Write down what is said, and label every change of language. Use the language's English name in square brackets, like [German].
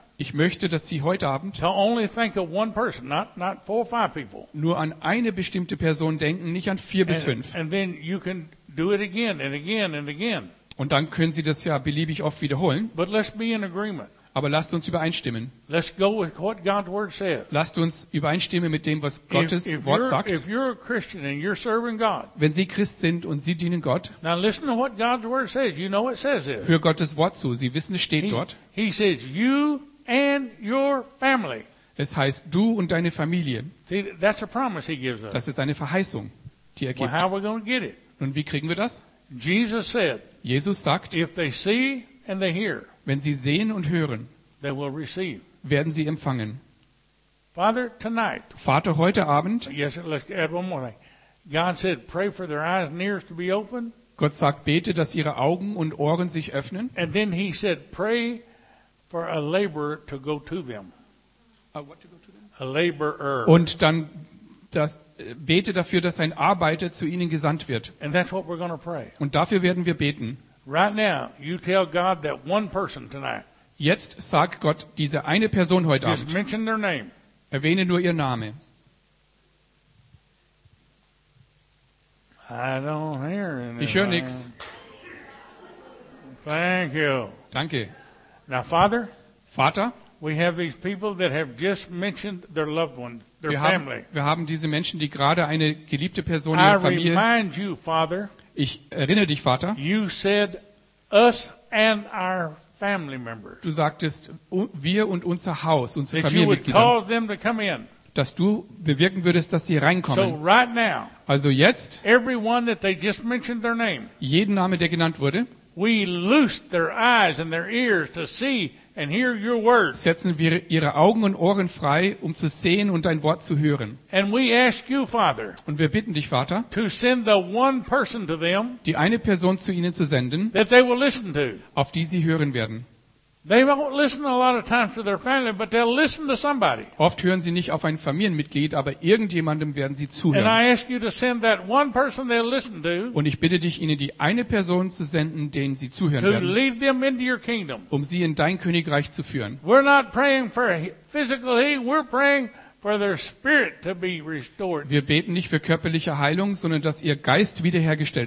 [German] Ich möchte, dass Sie heute Abend nur an eine bestimmte Person denken, nicht an 4 bis 5. Und dann können Sie das ja beliebig oft wiederholen. [English] But let's be in agreement. [German] Aber lasst uns übereinstimmen. [English] Let's go with what God's word says. [German] Lasst uns übereinstimmen mit dem, was Gottes Wort sagt. [English] If you're a Christian and you're serving God, [German] wenn Sie Christ sind und Sie dienen Gott, [English] now listen to what God's word says. You know it says this. [German] Hör Gottes Wort zu. Sie wissen, es steht dort. [English] He says, you and your family. [German] Es heißt, du und deine Familie. [English] See, that's a promise he gives us. [German] Das ist eine Verheißung, die er gibt. [English] Well, how are we going to get it? [German] Nun, wie kriegen wir das? [English] Jesus said, [German] Jesus sagt, [English] if they see and they hear, [German] wenn sie sehen und hören, [English] they will receive, [German] werden sie empfangen. [English] Father, tonight, [German] Vater, heute Abend, [English] yes, let's add one more thing. God said, pray for their eyes and ears to be open. [German] Gott sagt, bete, dass ihre Augen und Ohren sich öffnen. [English] And then he said, pray for a laborer to go to them. A laborer. [German] Und dann das, bete dafür, dass ein Arbeiter zu ihnen gesandt wird. [English] And that's what we're going to pray. [German] Und dafür werden wir beten. [English] Right now, you tell God that one person tonight. [German] Jetzt sag Gott diese eine Person heute [English] just [German] Abend. [English] Just mention their name. [German] Erwähne nur ihr Name. [English] I don't hear anything. [German] Ich höre nichts. [English] Thank you. [German] Danke. [English] Now, Father. [German] Vater. [English] We have these people that have just mentioned their loved one, their family. [German] Wir haben diese Menschen, die gerade eine geliebte Person in ihrer Familie. [English] I remind you, Father. [German] Ich erinnere dich, Vater. [English] You said us and our family members. [German] Du sagtest, wir und unser Haus, unsere [English] that [German] Familienmitglieder. [English] You would cause them to come in. [German] Dass du bewirken würdest, dass sie reinkommen. [English] So right now. [German] Also jetzt. [English] Everyone that they just mentioned their name. [German] Jeden Name, der genannt wurde. [English] We loosed their eyes and their ears to see and hear your word. [German] Setzen wir ihre Augen und Ohren frei, um zu sehen und dein Wort zu hören. [English] And we ask you, Father, [German] und wir bitten dich, Vater, [English] to send the one person to them, [German] die eine Person zu ihnen zu senden, [English] that they will listen to. [German] Auf die sie hören werden. [English] They won't listen a lot of times to their family, but they'll listen to somebody. [German] Oft hören sie nicht auf ein Familienmitglied, aber irgendjemandem werden sie zuhören. [English] And I ask you to send that one person they'll listen to. [German] Und ich bitte dich, ihnen die eine Person zu senden, denen sie zuhören werden. [English] To lead them into your kingdom. [German] Um sie in dein Königreich zu führen. [English] We're not praying for physical healing, we're praying for their spirit to be restored. [German] Wir beten nicht für körperliche Heilung, sondern dass ihr Geist wiederhergestellt